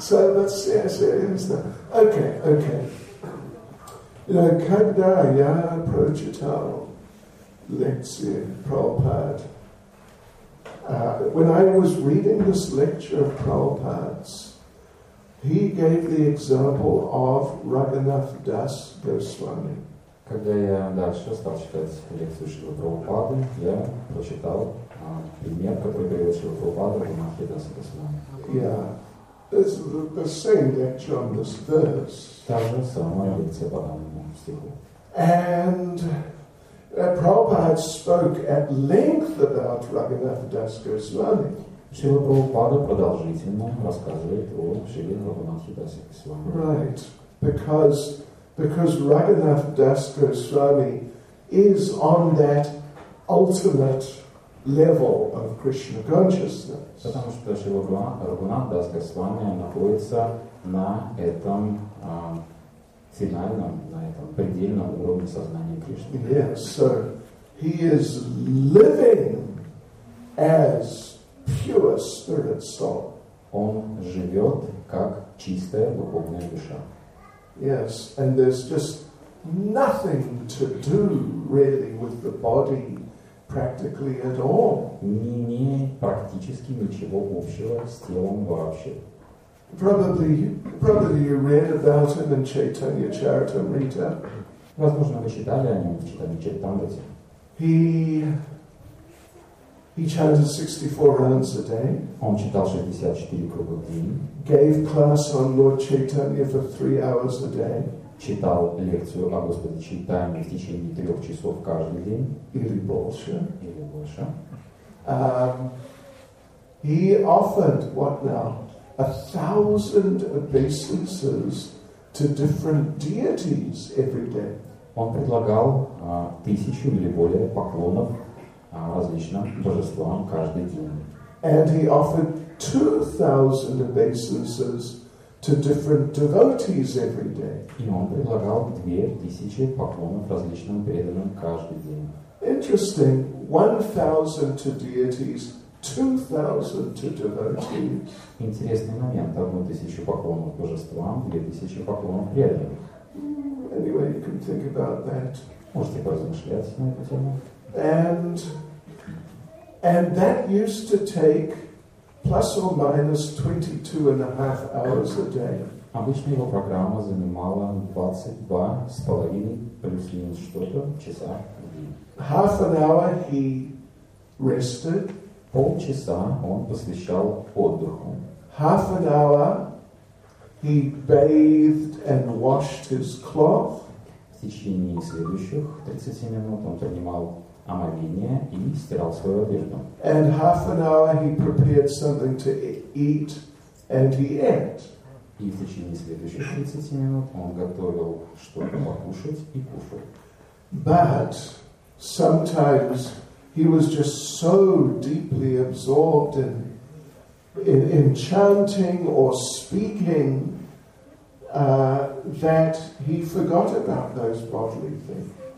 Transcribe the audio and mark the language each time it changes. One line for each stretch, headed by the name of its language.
English: So let's see, okay. You know,
Russian: когда я прочитал лекцию Прабхупада,
English: when I was reading this lecture of Prabhupada's, he gave the example of Raghunath Das Goswami.
Russian: Когда я дальше стал читать лекцию Шрила Прабхупады, я прочитал пример, который говорил Шрила Прабхупада, Раганат Дас Госвами.
English: It's the same lecture on this verse.
Russian: Та же самая лекция по данному стиху.
English: And Prabhupada spoke at length about Raghunath Das Goswami.
Russian: Шрила Прабхупада продолжительно рассказывает о Шриле Раганатхе Дасе Госвами.
English: Right. Because Raghunath Das Goswami is on that ultimate level of Krishna consciousness.
Russian: Потому что Шрила Раганатха Дас Госвами находится на этом финальном, на этом предельном уровне сознания Кришны.
English: Yes, so he is living as pure spirit soul.
Russian: Он живет как чистая духовная душа.
English: Yes, and there's just nothing to do really with the body. Practically at all.
Russian: Не имеет практически ничего общего с телом вообще.
English: Probably you read about him in Chaitanya Charitamrita.
Russian: Возможно, вы читали о нем в Чайтанья Чаритамрите.
English: He chanted 64 rounds a day.
Russian: Он читал 64 круга в день.
English: Gave class on Lord Chaitanya for 3 hours a day.
Russian: читал лекцию о Господе Чайтанье в течение 3 часов каждый день. Или больше. Или больше.
English: He offered, what now, 1,000 obeisances to different deities every day.
Russian: Он предлагал 1000 или более поклонов различным божествам каждый день.
English: And he offered 2,000 obeisances to different devotees every day.
Russian: И он предлагал 2000 поклонов различным преданным каждый день.
English: Interesting. 1,000 to deities, 2,000 to devotees.
Russian: Интересный момент. 1,000 поклонов божествам, 2,000 поклонов преданным.
English: Anyway, you can think about that.
Russian: Можете поразмышлять на эту тему.
English: And that used to take plus or minus 22.5 hours a day.
Russian: Обычно его программа занимала 22.5 плюс минус что-то часа.
English: Half an hour he rested.
Russian: Полчаса он посвящал отдыху.
English: Half an hour he bathed and washed his cloth.
Russian: В течение следующих 30 минут он принимал омовение и стирал свою одежду.
English: And half an hour he prepared something to eat and he ate.
Russian: И в течение следующих 30 минут он готовил что-то покушать и кушал.
English: But sometimes he was just so deeply absorbed in chanting or speaking that he forgot about those bodily things.